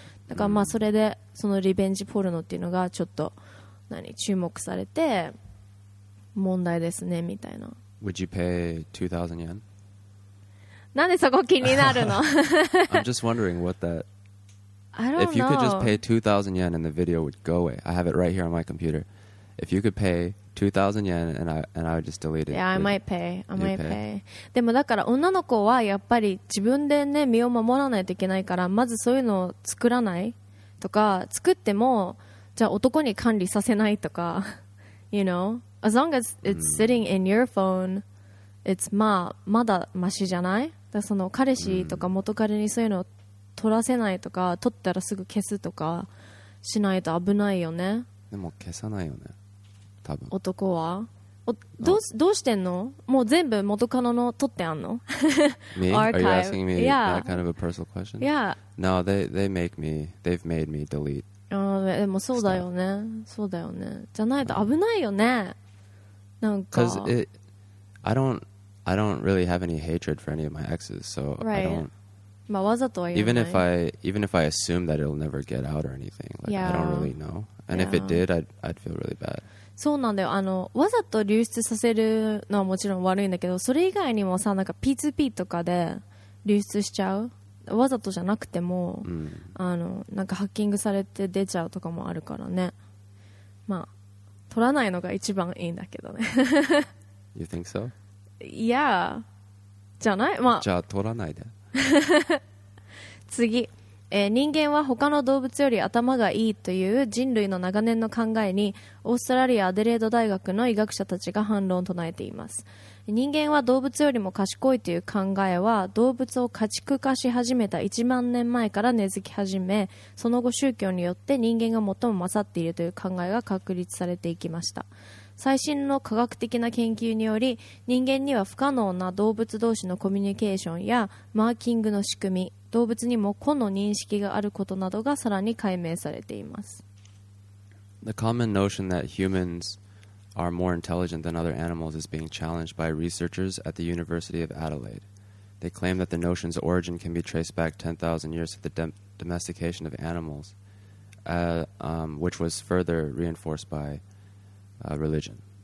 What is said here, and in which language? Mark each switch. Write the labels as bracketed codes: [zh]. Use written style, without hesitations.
[ja] だからまあそれでそのリベンジポルノっていうのがちょっと何注目されて問題ですねみたいな。 [en] Would you pay 2,000 yen? [ja] なんでそこ気になるの? [en] I'm just wondering what that... I don't know. If you could just pay 2,000 yen and the video would go away. I have it right here on my computer. If you could pay 2,000 yen and I would just delete it. Yeah, I might pay. [ja] でもだから女の子はやっぱり自分でね身を守らないといけないから、まずそういうのを作らないとか、作ってもじゃあ男に管理させないとか、 [en] you know? As long as it's sitting in your phone... It's [ja] まあまだマシじゃない。だからその彼氏とか元彼にそういうの撮らせないとか、撮ったらすぐ消すとかしないと危ないよね。でも消さないよね。多分。男は。どうしてんの? もう全部元カノの撮ってあんの? [en] Me? Are you asking me that kind of a personal question? Yeah. No, they make me, they've made me delete. [ja] でもそうだよね。そうだよね。じゃないと危ないよね。なんか。 [en] Because it, I don't really have any hatred for any of my exes, so I don't. [ja] まあわざとは言えない。 [en] Even if I assume that it'll never get out or anything, like, yeah. I don't really know. And if it did, I'd feel really bad. [ja] そうなんだよ。わざと流出させるのはもちろん悪いんだけど、それ以外にもさ、なんか P2P とかで流出しちゃう、わざとじゃなくても、うん、なんかハッキングされて出ちゃうとかもあるからね。まあ取らないのが一番いいんだけどね。 [en] You think so? [ja] Yeah. じゃない、まあ、じゃあ取らないで。次、人間は他の動物より頭がいいという人類の長年の考えに、オーストラリアアデレード大学の医学者たちが反論を唱えています。人間は動物よりも賢いという考えは、動物を家畜化し始めた1万年前から根付き始め、その後宗教によって人間が最も勝っているという考えが確立されていきました。最新の科学的な研究により、人間には不可能な動物同士のコミュニケーションやマーキングの仕組み、動物にも個の認識があることなどがさらに解明されています。 [en] The common notion that humans are more intelligent than other animals is being challenged by researchers at the University of Adelaide. They claim that the notion's origin can be traced back 10,000 years to the domestication of animals, which was further reinforced by religion.